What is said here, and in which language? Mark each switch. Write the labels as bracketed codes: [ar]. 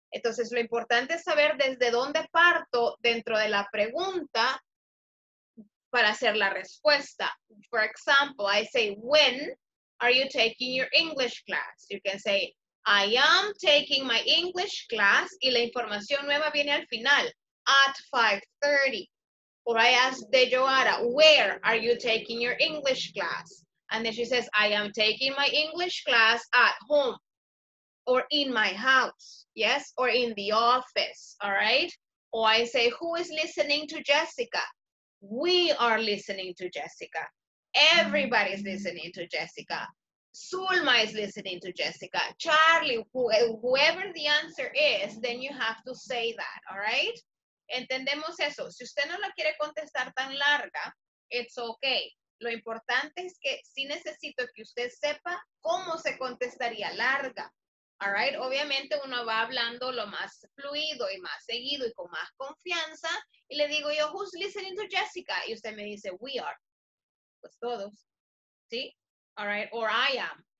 [es] Entonces, lo importante es saber desde dónde parto dentro de la pregunta para hacer la respuesta. [en] For example, I say, when are you taking your English class? You can say, I am taking my English class, [es] y la información nueva viene al final, [en] at 5:30. Or I ask Dejoara, where are you taking your English class? And then she says, I am taking my English class at home or in my house, yes? Or in the office, all right? Or I say, who is listening to Jessica? We are listening to Jessica. Everybody is listening to Jessica. Zulma is listening to Jessica. Charlie, whoever the answer is, then you have to say that, all right? [es] Entendemos eso. Si usted no lo quiere contestar tan larga, [en] it's okay. [es] Lo importante es que sí necesito que usted sepa cómo se contestaría larga. All right. Obviamente uno va hablando lo más fluido y más seguido y con más confianza. Y le digo yo, [en] who's listening to Jessica? [es] Y usted me dice, [en] we are. [es] Pues todos. ¿Sí? All right. [en] Or I am.